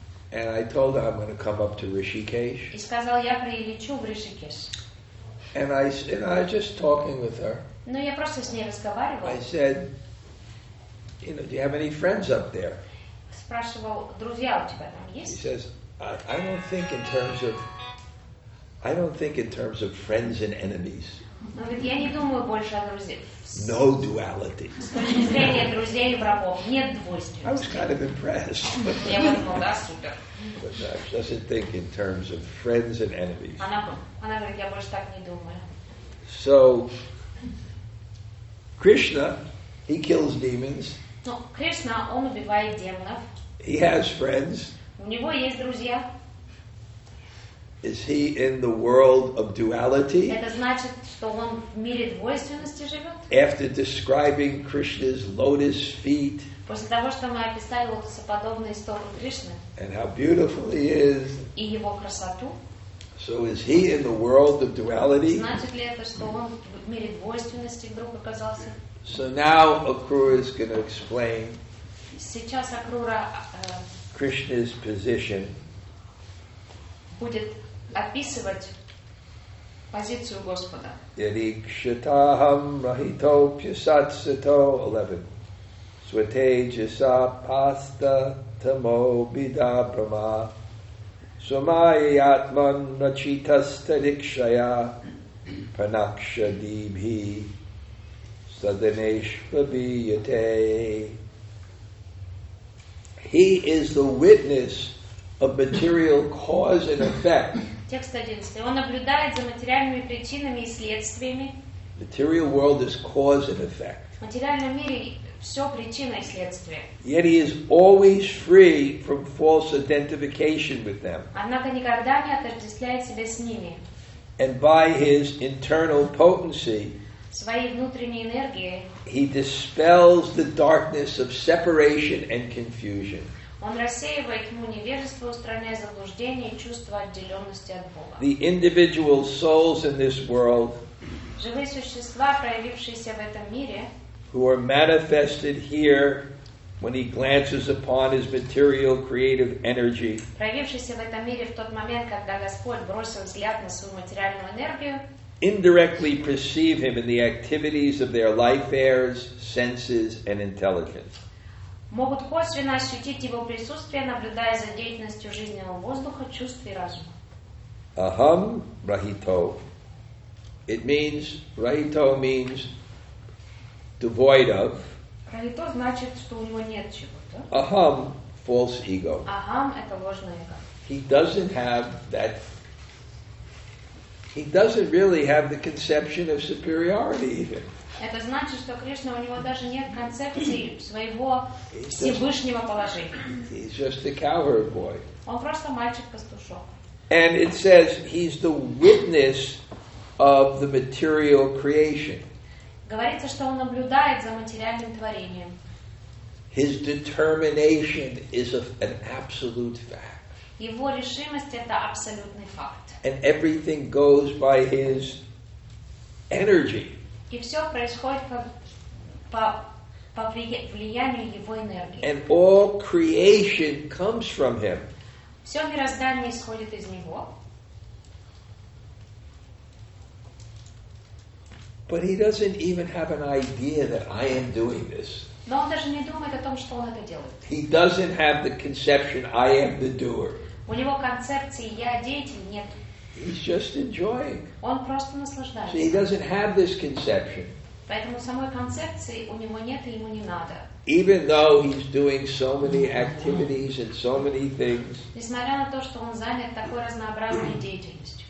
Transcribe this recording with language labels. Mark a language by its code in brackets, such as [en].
[en] And I told her I'm going to come up to Rishikesh. [ru] И сказал, я прилечу в Ришикеш. [en] And I was just talking with her. [ru] Но я просто с ней разговаривала. [en] I said, you know, do you have any friends up there? [ru] Спрашивал, друзья у тебя там есть? [en] He says, I don't think in terms of friends and enemies. [ru] Но ведь я не думаю больше о друзьях. [en] No duality. [ru] С точки зрения друзей и врагов нет двойственности. [en] I was kind of impressed. [ru] Я подумал, да, супер. [en] But no, she doesn't think in terms of friends and enemies. [ru] Она говорит, я больше так не думаю. [en] So, Krishna, he kills demons. [ru] Но Кришна, он убивает демонов. [en] He has friends. [ru] У него есть друзья. [en] Is he in the world of duality? [ru] Это значит, что он в мире двойственности живет? [en] After describing Krishna's lotus feet. [ru] После того, что мы описали лотосоподобные стопы Кришны. [en] And how beautiful he is. [ru] И его красоту. [en] So is he in the world of duality? [ru] Значит ли это, что он в мире двойственности вдруг оказался? [en] So now Akrura is going to explain. [ru] Сейчас Акрура [en] Krishna's position. [ru] Будет описывать позицию Господа. [sa] Ирикшатахам рахито пьясатсито 11. Свете джаса паста тамо бида брама. Сумайи атман начитас тарикшая пранакша дибхи садханешва бийате. [en] He is the witness of material cause and effect. [ru] Текст 11. Он наблюдает за материальными причинами и следствиями. [en] Material world is cause and effect. [ru] В материальном мире все причина и следствие. [en] Yet he is always free from false identification with them. [ru] Однако никогда не отождествляет себя с ними. [en] And by his internal potency, [ru] своей внутренней энергией, [en] he dispels the darkness of separation and confusion. [ru] Он рассеивает тьму невежества, устраняя заблуждение и чувство отделенности от Бога. [en] The individual souls in this world, [ru] живые существа, проявившиеся в этом мире, [en] who are manifested here when he glances upon his material creative energy, [ru] проявившиеся в этом мире в тот момент, когда Господь бросил взгляд на свою материальную энергию, [en] indirectly perceive him in the activities of their life affairs, senses, and intelligence. [ru] Могут косвенно ощутить его присутствие, наблюдая за деятельностью жизненного воздуха, чувств и разума. [en] Aham rahito. It means, rahito means devoid of. [ru] Rahito значит, что у него нет чего-то. [en] Aham, false ego. [ru] Aham – это ложное эго. [en] He doesn't have that. He doesn't really have the conception of superiority even. [ru] Это значит, что Кришна, у него даже нет концепции своего Всевышнего положения. [en] He's just a cowherd boy. [ru] Он просто мальчик-пастушок. [en] And it says he's the witness of the material creation. [ru] Говорится, что он наблюдает за материальным творением. [en] His determination is an absolute fact. [ru] Его решимость это абсолютный факт. [en] And everything goes by his energy. [ru] И все происходит по влиянию его энергии. [en] And all creation comes from him. [ru] Все мироздание исходит из него. [en] But he doesn't even have an idea that I am doing this. [ru] Но он даже не думает о том, что он это делает. [en] He doesn't have the conception I am the doer. [ru] У него концепции я деятель нет. [en] He's just enjoying. [ru] Он просто наслаждается. [en] So he doesn't have this conception. [ru] Поэтому самой концепции у него нет и ему не надо. [en] Even though he's doing so many activities and so many things. [ru] Несмотря на то, что он занят такой разнообразной деятельностью.